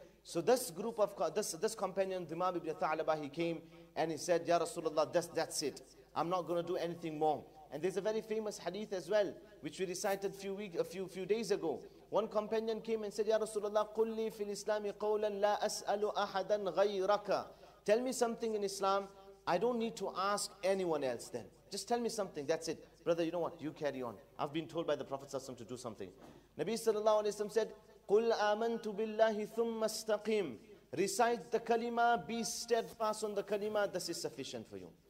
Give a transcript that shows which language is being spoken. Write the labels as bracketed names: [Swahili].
[English] So this group of, this companion, Dhimab ibn Tha'labah, he came and he said, Ya Rasulullah, that's it. I'm not going to do anything more. And there's a very famous hadith as well, which we recited a few days ago. One companion came and said, Ya Rasulullah, [Arabic] قُلِّي فِي الْإِسْلَامِ قَوْلًا لَا أَسْأَلُ أَحَدًا غَيْرَكَ. [English] Tell me something in Islam. I don't need to ask anyone else then. Just tell me something. That's it. Brother, you know what? You carry on. I've been told by the Prophet ﷺ to do something. [Arabic] Nabi sallallahu alayhi wa sallam said, قُلْ آمَنْتُ بِاللَّهِ ثُمَّ اسْتَقِيمُ. [English] Recite the kalima, be steadfast on the kalima, this is sufficient for you.